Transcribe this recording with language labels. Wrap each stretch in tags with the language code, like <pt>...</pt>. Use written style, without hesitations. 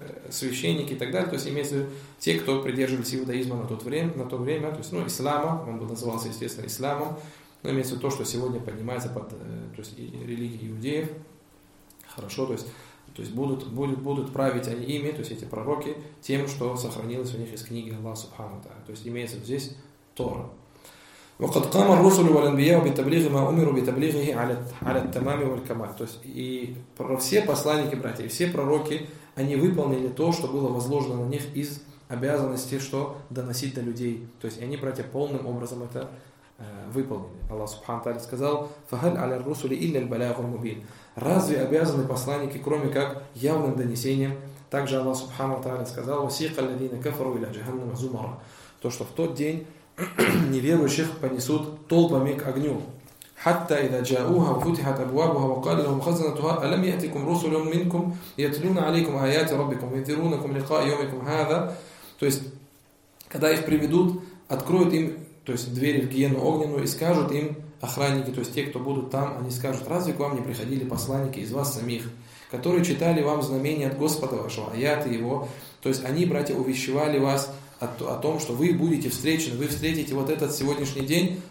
<ru>священники и так далее, то есть имеется в виду те, кто придерживались иудаизма на то время, то есть, ну, ислама, он бы назывался, естественно, исламом, но имеется в виду то, что сегодня поднимается под, то есть, религией иудеев, хорошо, то есть будут править они ими, то есть эти пророки, тем, что сохранилось у них из книги Аллаха Субхану Тааля. То есть имеется здесь Тора.</ru> <ar>وقد قام الرسل والانبياء بتبليغ ما امروا بتبليغه على التمام والكمال.</ar> <ru>То есть и все посланники, братья, все пророки, они выполнили то, что было возложено на них из обязанности, что доносить до людей. То есть они, братья, полным образом это выполнили. Аллах Субхану Тааля сказал:</ru> <ar>فهل على الرسل الا البلاغ المبين.</ar> <ru>Разве обязаны посланники, кроме как явным донесением? Также Аллах Субхану Тааля сказал:</ru> <ar>وسيق الذين كفروا الى جهنم زمرا.</ar> <ru>То, что в тот день неверующих понесут толпами к огню.</ru> <ar>حتى اذا جاءوها وفتحت ابوابها وقال لهم خزنتها الم ياتيكم رسل منكم يتلون عليكم ايات ربكم وينذرونكم لقاء يومكم هذا.</ar> <ru>То есть когда их приведут, откроют им, то есть двери в гиену огненную, и скажут им: охранники, то есть те, кто будут там, они скажут: разве к вам не приходили посланники из вас самих, которые читали вам знамения от Господа вашего, аяты его? То есть они, братья, увещевали вас о том, что вы будете встречены, вы встретите вот этот сегодняшний день.</ru>